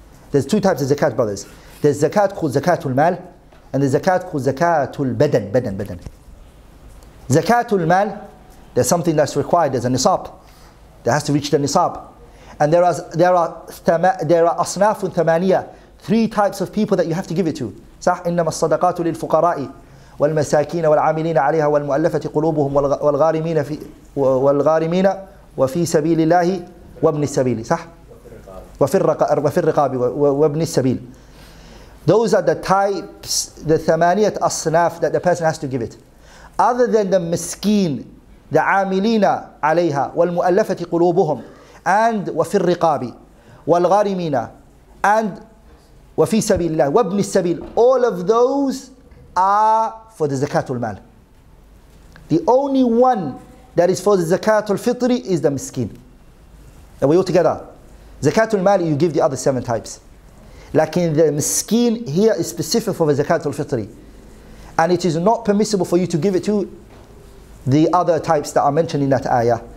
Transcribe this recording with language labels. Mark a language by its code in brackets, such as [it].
[en] There's two types of zakat, brothers. There's zakat called zakatul mal, and there's zakat called zakatul badan. Zakatul mal, there's something that's required, there's a nisab. There has to reach the nisab. And there are [ar] asnafun thamaniya, [en] three types of people that you have to give it to. [ar] Sah innama as-sadaqatu lil-fuqara'i. والمساكين والعاملين عليها والمؤلفة قلوبهم والغارمين في والغارمين وفي سبيل الله وابن السبيل صح وفي الرقاب وابن السبيل. [en] Those are the types, the [ar] ثمانية أصناف [en] that the person has to give it. Other than the مسكين, the [ar] عاملين عليها والمؤلفة قلوبهم [en] and [ar] وفي الرقاب والغارمين [en] and [ar] وفي سبيل الله وابن السبيل, [en] all of those are for the zakatul mal. The only one that is for the zakatul fitri is the miskin. And we all together. Zakatul mal, you give the other seven types. Like in the miskin, here is specific for the zakatul fitri. And it is not permissible for you to give it to the other types that are mentioned in that ayah.